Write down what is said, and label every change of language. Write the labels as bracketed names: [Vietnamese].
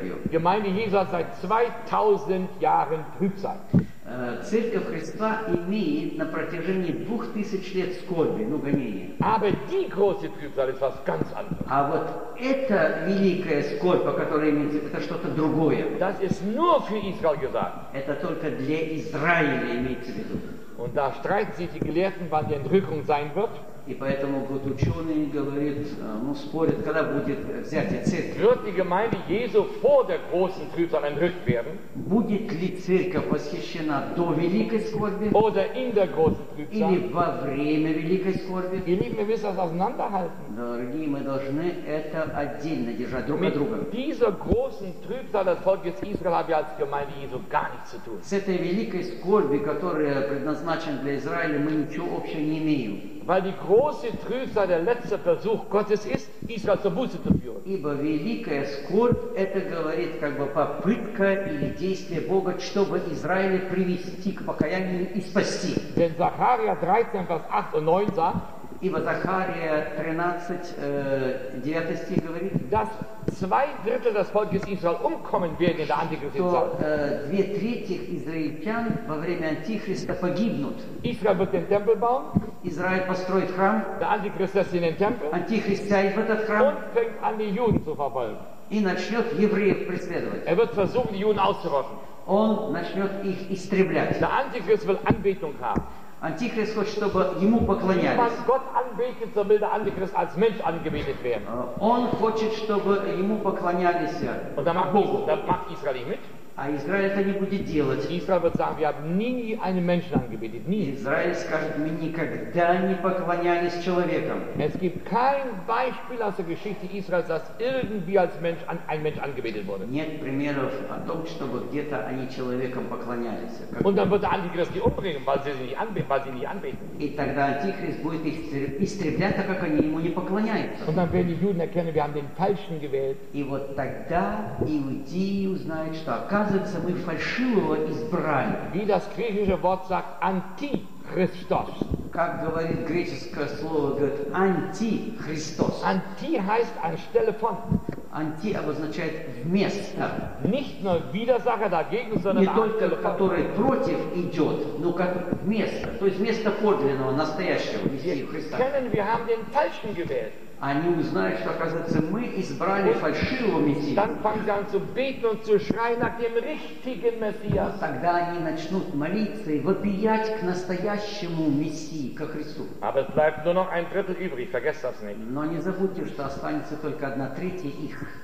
[German] Gemeinde Jesu hat seit 2000 Jahren Trübsal. [Russian] Церковь Христа имеет на протяжении 2000 лет скорби, ну, гонения. [German] Aber die große Trübsal ist was ganz anderes. [Russian] А вот эта великая скорбь, о которой имеется, это что-то другое. [German] Das ist nur für Israel gesagt. [Russian] Это только для Израиля имеется в виду. [German] Und da streiten sich die Gelehrten, wann die Entrückung sein wird. [Russian] И поэтому вот ученые говорят, ну, спорят, когда будет взятие церкви. [German] Wird die Gemeinde Jesu vor der großen Trübsal entrückt werden? [Russian] Будет ли церковь восхищена до великой скорби? [German] Oder in der großen Trübsal? [Russian] Или во время великой скорби? [German] Ihr Lieben, wir müssen das auseinanderhalten. [Russian] Дорогие, мы должны это отдельно держать друг от друга. [German] Mit dieser großen Trübsal des Volkes Israel haben wir als Gemeinde Jesu gar nichts zu tun. [Russian] С этой великой скорби, которая предназначена для Израиля, мы ничего общего не имеем. [German] Weil die große Trübsal der letzte Versuch Gottes ist, Israel zur Buße zu führen. [Russian] Ибо великая скорбь это говорит как бы попытка или действие Бога, чтобы Израиля привести к покаянию и спасти. [German] Denn Zacharia 13, Vers 8 und 9 sagt. [Russian] Ибо Захария 13, 9 стих говорит. [German] Dass zwei Drittel des Volkes Israel umkommen werden in der Antichristzeit. [Russian] Две трети израильтян во время Антихриста погибнут. [German] Israel wird den Tempel bauen. [Russian] Израиль построит храм. [German] Der Antichrist setzt in den Tempel. [Russian] Антихрист сядет в этот храм. [German] Und fängt an die Juden zu verfolgen. [Russian] И начнет евреев преследовать. [German] Er wird versuchen die Juden auszurotten. [Russian] Он начнет их истреблять. [German] Der Antichrist will Anbetung haben. [Russian] Антихрист хочет, чтобы ему поклонялись. [German] Gott anbeten, so will der Antichrist als Mensch angebetet werden. [Russian] Он хочет, чтобы ему поклонялись. [German] Und dann macht Israel nicht mit. [Russian] А Израиль это не будет делать. Израиль будет сказать, я бы ни [German] einen Menschen angebetet, nie. [Russian] Израиль скажет, мы никогда не поклонялись человеком. [German] Es gibt kein Beispiel aus der Geschichte Israels, dass irgendwie als Mensch an ein Mensch angebetet wurde. [Russian] Нет примеров о том, чтобы где-то они человеком поклонялись. [German] Und dann wird der Antichrist die umbringen, weil sie nicht anbeten. [Russian] И тогда Антихрист будет их истреблять, так как они ему не поклоняются. [German] Und dann werden die Juden erkennen, wir haben den Falschen gewählt. [Russian] И вот тогда иудеи узнают, что оказывается, мы фальшивого избрали. [German] Wie das griechische Wort sagt, Antichristos. [Russian] Как говорит греческое слово, говорит Антихристос. [German] Anti heißt anstelle von. [Russian] Anti обозначает вместо. [German] Nicht nur Widersacher dagegen, sondern [Russian] Не только который против идет, но как вместо. То есть вместо подлинного, настоящего Мессии Христа. [German] Kennen wir haben den falschen gewählt. [Russian] Они узнают, что, оказывается, мы избрали фальшивого Мессию. [German] Dann fangen sie an zu beten und zu schreien nach dem richtigen Messias. [Russian] Вот тогда они начнут молиться и вопиять к настоящему Мессии, ко Христу. [German] Aber es bleibt nur noch ein Drittel übrig, vergesst das nicht. [Russian] Но не забудьте, что останется только одна третья их.